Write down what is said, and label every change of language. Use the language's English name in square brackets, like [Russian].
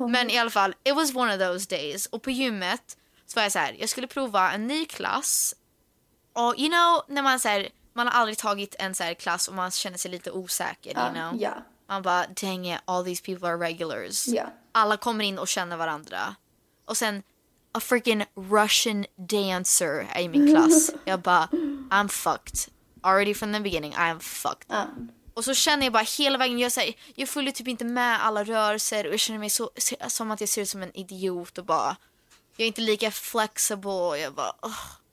[Swedish] men i alla fall, [English] it was one of those days. [Swedish] Och på gymmet så var jag så här, jag skulle prova en ny klass. Och [English] you know, [Swedish] när man säger, man har aldrig tagit en så här klass och man känner sig lite osäker, you know? [English] Yeah. Man bara, dang it, all these people are regulars. Yeah. [Swedish] Alla kommer in och känner varandra. Och sen, [English] a freaking Russian dancer [Swedish] är i min klass. Jag bara, [English] I'm fucked. Already from the beginning, I'm fucked. [Swedish] Och så känner jag bara hela vägen, jag följer typ inte med alla rörelser och jag känner mig som att jag ser ut som en idiot och bara, jag är inte lika flexible. Jag bara, ugh.